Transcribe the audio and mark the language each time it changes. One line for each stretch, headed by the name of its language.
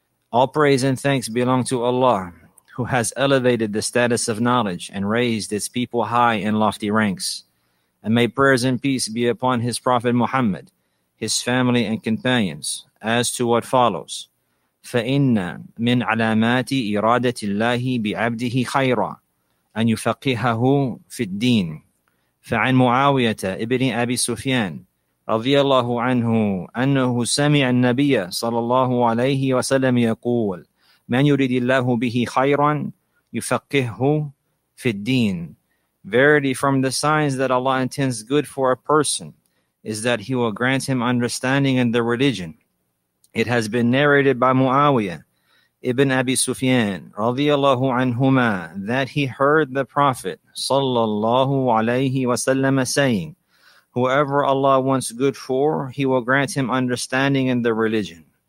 English: All praise and thanks belong to Allah, who has elevated the status of knowledge and raised its people high in lofty ranks. And may prayers and peace be upon his Prophet Muhammad, his family and companions, as to what follows.
Arabic: فَإِنَّ مِنْ عَلَامَاتِ إِرَادَةِ اللَّهِ بِعَبْدِهِ خَيْرًا أَنْ يُفَقِّهَهُ فِي الدِّينِ فَعَنْ مُعَاوِيَةَ إِبْنِ أَبِي سُفْيَانَ رَضِيَ اللَّهُ عَنْهُ أَنَّهُ سَمِعَ النَّبِيَّ صَلَى اللَّهُ عَلَيْهِ وَسَلَّمَ يَقُولُ مَنْ يُرِدِ اللَّهُ بِهِ خَيْرًا يُفَقِّهُ فِي الدِّينِ.
English: Verily, from the signs that Allah intends good for a person, is that he will grant him understanding in the religion. It has been narrated by Muawiyah ibn Abi Sufyan radiyallahu anhuma that he heard the Prophet sallallahu alayhi wasallam saying, whoever Allah wants good for, he will grant him understanding in the religion.